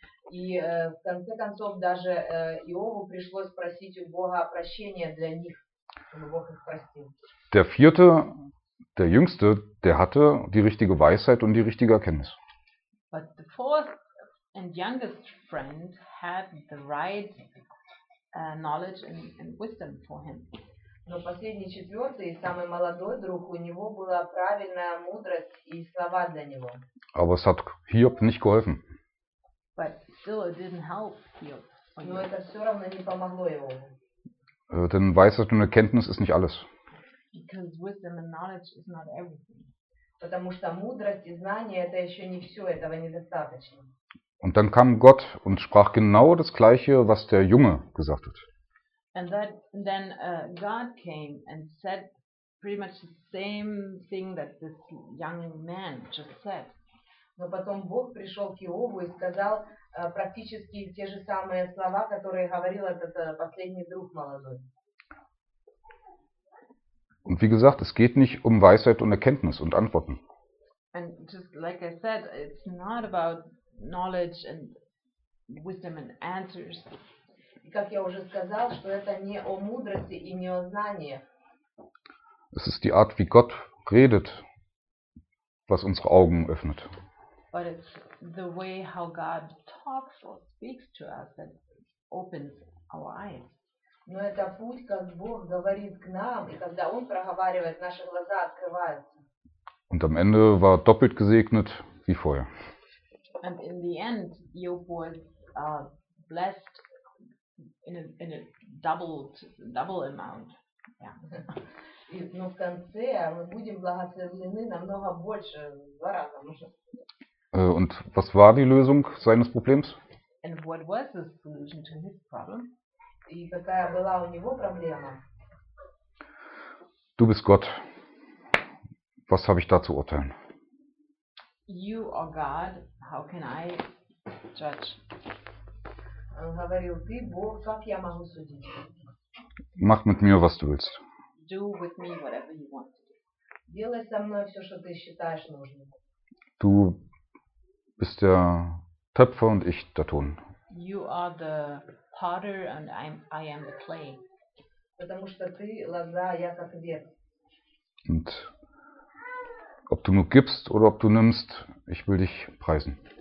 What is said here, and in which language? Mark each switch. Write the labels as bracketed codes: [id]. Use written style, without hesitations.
[ru] И в конце концов даже Иову пришлось просить у Бога прощения для них, чтобы Бог их простил. [de] Der vierte, der jüngste, der hatte die richtige Weisheit und die richtige Erkenntnis. [en] But the fourth and youngest friend had the right knowledge and wisdom for him. [ru] Но последний четвертый и самый молодой друг, у него была правильная мудрость и слова для него. [de] Aber es hat Hiob nicht geholfen. [en] But still it didn't help Hiob. [ru] Но это все равно не помогло ему. [de] Denn Weisheit und Erkenntnis ist nicht alles. [en] Because wisdom and knowledge is not everything. [ru] Потому что мудрость и знание это еще не все, этого недостаточно. [de] Und dann kam Gott und sprach genau das gleiche, was der Junge gesagt hat. [en] And that, then God came and said pretty much the same thing that this young man just said. [ru] Но потом Бог пришел к Иову и сказал практически те же самые слова, которые говорил этот последний друг молодой. [de] Und wie gesagt, es geht nicht um Weisheit und Erkenntnis und Antworten. [en] And just like I said, it's not about knowledge and wisdom and answers. [ru] И как я уже сказал, что это не о мудрости и не о знании. [de] Es ist die Art, wie Gott redet, was unsere Augen öffnet. [en] But it's the way how God talks or speaks to us that opens our eyes. [ru] Но это путь, как Бог говорит к нам, и когда Он проговаривает, наши глаза открываются. [de] Und am Ende war doppelt gesegnet wie vorher. [en] And in the end, Job was blessed in a double amount. Yeah. [ru] Но в конце мы будем благословлены намного больше, в два раза. [de] Und was war die Lösung seines Problems? [en] And what was the solution to his problem? [ru] И какая была у него проблема? [de] Du bist Gott. Was habe ich da zu urteilen? [en] You are God. How can I judge? [ru] Он говорил, ты Бог, как я могу судить? [de] Mach mit mir, was du willst. [en] Do with me whatever you want. [ru] Делай со мной все, что ты считаешь нужным. [de] Du bist der Töpfer und ich der Ton. [en] You are the potter and I am the clay. [ru] Потому что ты лоза, я как ветвь. [de] Und ob du nur gibst oder ob du nimmst, ich will dich preisen.